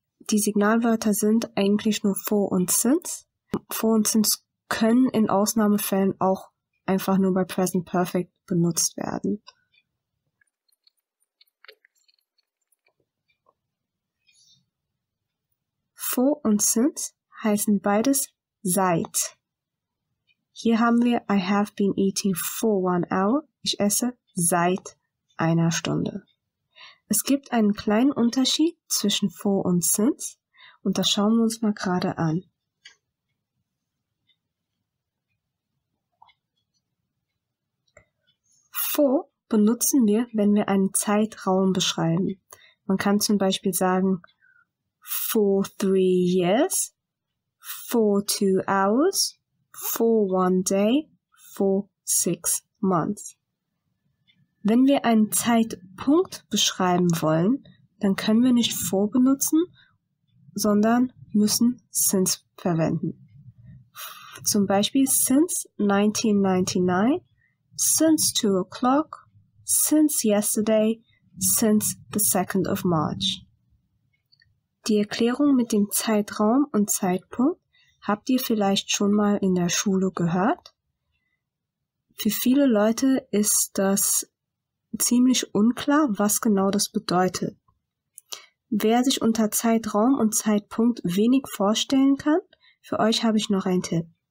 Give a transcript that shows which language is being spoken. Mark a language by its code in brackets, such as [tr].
[de] Die Signalwörter sind eigentlich nur for und since. For und since können in Ausnahmefällen auch einfach nur bei Present Perfect benutzt werden. For und since heißen beides seit. Hier haben wir [en] I have been eating for 1 hour. [de] Ich esse seit einer Stunde. Es gibt einen kleinen Unterschied zwischen for und since und das schauen wir uns mal gerade an. For benutzen wir, wenn wir einen Zeitraum beschreiben. Man kann zum Beispiel sagen, [en] for 3 years, for 2 hours, for 1 day, for 6 months. [de] Wenn wir einen Zeitpunkt beschreiben wollen, dann können wir nicht for benutzen, sondern müssen since verwenden. Zum Beispiel [en] since 1999, since 2 o'clock, since yesterday, since the 2nd of March. [de] Die Erklärung mit dem Zeitraum und Zeitpunkt habt ihr vielleicht schon mal in der Schule gehört. Für viele Leute ist das ziemlich unklar, was genau das bedeutet. Wer sich unter Zeitraum und Zeitpunkt wenig vorstellen kann, für euch habe ich noch einen Tipp.